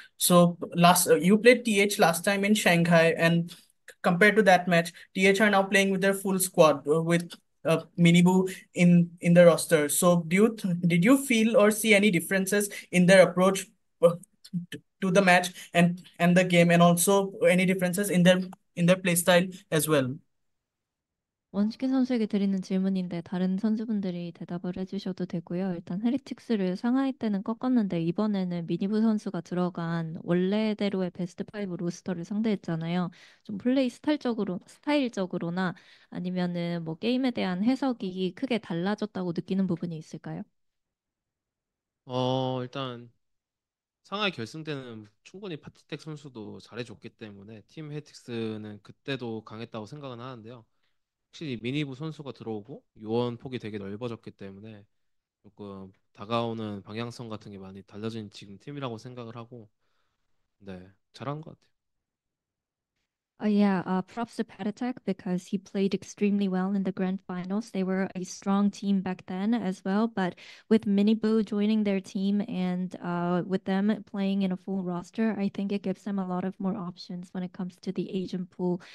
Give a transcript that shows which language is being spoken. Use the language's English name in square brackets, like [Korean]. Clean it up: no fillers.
[English] So you played TH last time in Shanghai, and compared to that match, TH are now playing with their full squad with Minibu in the roster. So did you feel or see any differences in their approach to the match and the game, and also any differences in their play style as well? [Korean] 원식이 선수에게 드리는 질문인데 다른 선수분들이 대답을 해주셔도 되고요. 일단 헤리틱스를 상하이 때는 꺾었는데 이번에는 미니부 선수가 들어간 원래대로의 베스트 5 로스터를 상대했잖아요. 좀 플레이 스타일적으로나 아니면은 뭐 게임에 대한 해석이 크게 달라졌다고 느끼는 부분이 있을까요? 일단 상하이 결승 때는 충분히 파티텍 선수도 잘해줬기 때문에 팀 헤틱스는 그때도 강했다고 생각은 하는데요. 확실히 미니부 선수가 들어오고 요원 폭이 되게 넓어졌기 때문에 조금 다가오는 방향성 같은 게 많이 달라진 지금 팀이라고 생각을 하고, 네, 잘한 것 같아요. [English] Props to Petr Cech because he played extremely well in the grand finals. They were a strong team back then as well, but with Minibu joining their team and with them playing in a full roster, I think it gives them a lot of more options when it comes to the agent pool.